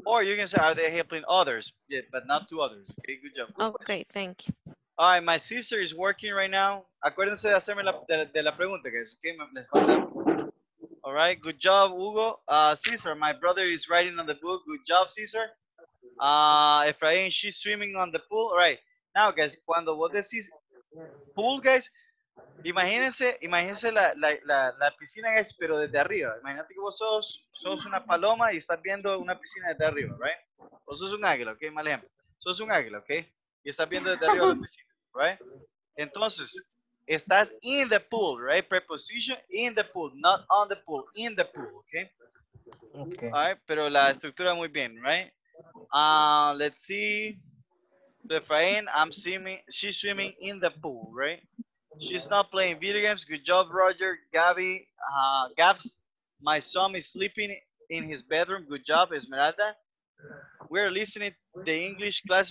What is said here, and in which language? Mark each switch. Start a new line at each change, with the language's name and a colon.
English: Or you can say, are they helping others? Yeah, but not to others. Okay, good job. Good okay, question. Thank you. All right, my sister is working right now.
Spanish: Acuérdense de hacerme la pregunta,
English: guys. Okay,
Spanish: les falta.
English: All right, good job, Hugo. Cesar, my brother is writing on the book. Good job, Cesar. Efraín, she's swimming on the pool.
Spanish: All right, now, guys, cuando vos decís pool, guys, imagínense la piscina, guys, pero desde arriba. Imagínate que vos sos una paloma y estás viendo una piscina desde arriba, right? Vos sos un águila, okay, mal ejemplo. Sos un águila, okay? Y estás viendo desde arriba la piscina, right? Entonces, estás
English: in the pool,
Spanish: right?
English: Preposition, in the pool, not on the pool, in the pool, okay? Okay.
Spanish: All right, pero la estructura muy bien, right?
English: Let's see. So Efraín, she's swimming in the pool, right? She's not playing video games. Good job, Roger. Gabby, Gabs, my son is sleeping in his bedroom. Good job, Esmeralda. We're listening to the English class.